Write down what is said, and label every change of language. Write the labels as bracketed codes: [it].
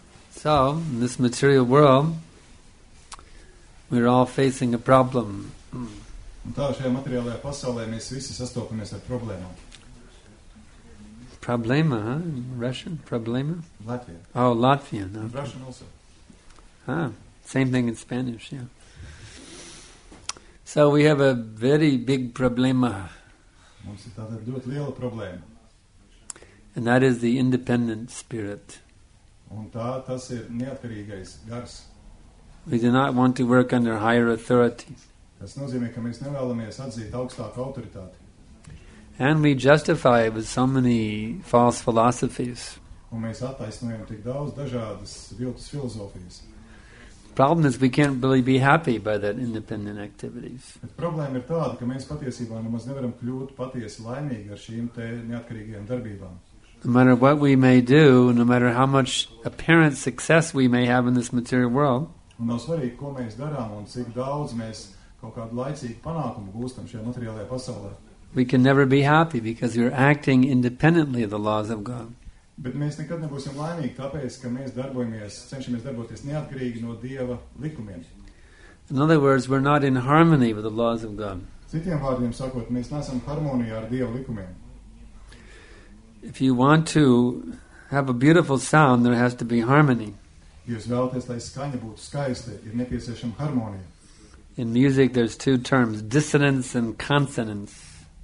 [en] So, in this material world, we're all facing a problem. [lv] Tā šajā materiālajā pasaulē mēs visi sastopamies ar problēmām. Problēma, Russian, problēma? [en] Latvian. Oh, Latvian. Okay. Russian also. Ah, same thing in Spanish, yeah. So we have a very big problema. [lv] Mums ir tāda ļoti liela problēma. [en] And that is the independent spirit. [lv] Un tas ir neatkarīgais gars. [en] We do not want to work under higher authority. [lv] Tas nozīmē, ka mēs nevēlamies atzīt augstāku autoritāti. [en] And we justify it with so many false philosophies. [lv] Un mēs attaisnojam tik daudz dažādas viltus filozofijas. [en] Problem is we can't really be happy by that independent activities. [lv] Bet problēma ir tāda, ka mēs patiesībā nemaz nevaram kļūt patiesi laimīgi ar šīm te neatkarīgajām darbībām. [en] No matter what we may do, no matter how much apparent success we may have in this material world, [lv] un nav svarīgi, ko mēs darām un cik daudz mēs kaut kādu laicīgu panākumu gūstam šajā materiālajā pasaulē. [en] We can never be happy because we're acting independently of the laws of God. [lv] Bet mēs nekad nebūsim laimīgi, tāpēc, ka mēs darbojamies, cenšamies darboties neatkarīgi no Dieva likumiem. [en] In other words, we're not in harmony with the laws of God. [lv] Citiem vārdiem sakot, mēs neesam harmonijā ar Dieva likumiem. [en] If you want to have a beautiful sound, there has to be harmony. [lv] Ja jūs vēlaties, lai skaņa būtu skaista, ir nepieciešama harmonija. [en] In music there's two terms, dissonance and consonance.